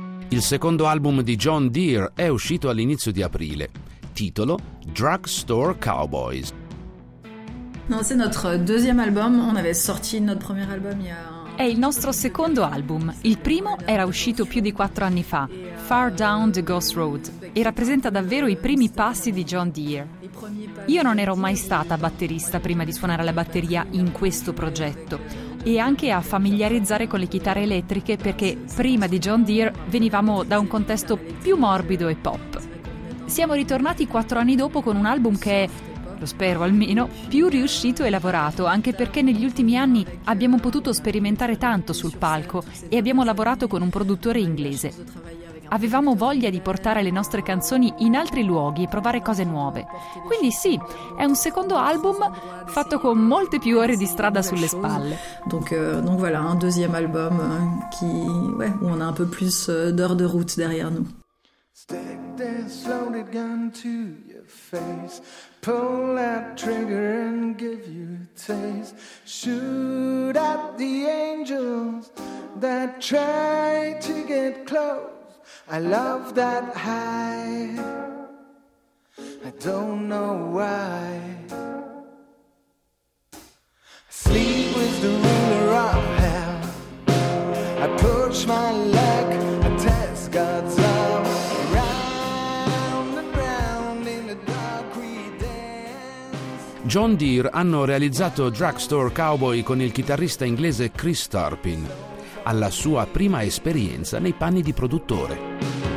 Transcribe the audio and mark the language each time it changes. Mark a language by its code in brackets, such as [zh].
[it] Il secondo album di John Deere è uscito all'inizio di aprile, titolo Drugstore Cowboys. [fr] Non, c'est notre deuxième album. On avait sorti notre premier album il y a... [it] È il nostro secondo album. Il primo era uscito più di 4 anni fa, Far Down the Ghost Road, e rappresenta davvero i primi passi di John Deere. Io non ero mai stata batterista prima di suonare la batteria in questo progetto, e anche a familiarizzare con le chitarre elettriche, perché prima di John Deere venivamo da un contesto più morbido e pop. Siamo ritornati 4 anni dopo con un album che è, lo spero almeno, più riuscito e lavorato, anche perché negli ultimi anni abbiamo potuto sperimentare tanto sul palco e abbiamo lavorato con un produttore inglese. Avevamo voglia di portare le nostre canzoni in altri luoghi e provare cose nuove. Quindi sì, è un secondo album fatto con molte più ore di strada sulle spalle. [fr] Donc voilà, un deuxième album qui, ouais, où on a un peu plus d'heures de route derrière nous. [en] Stick this loaded gun to your face, pull that trigger and give you a taste. Shoot at the angels that try to get close. I love that high, I don't know why. Sleep with the ruler of hell, I push my luck, I test God's love. Round and round in the dark we dance. [it] John Deere hanno realizzato Drugstore Cowboy con il chitarrista inglese Chris Turpin, alla sua prima esperienza nei panni di produttore.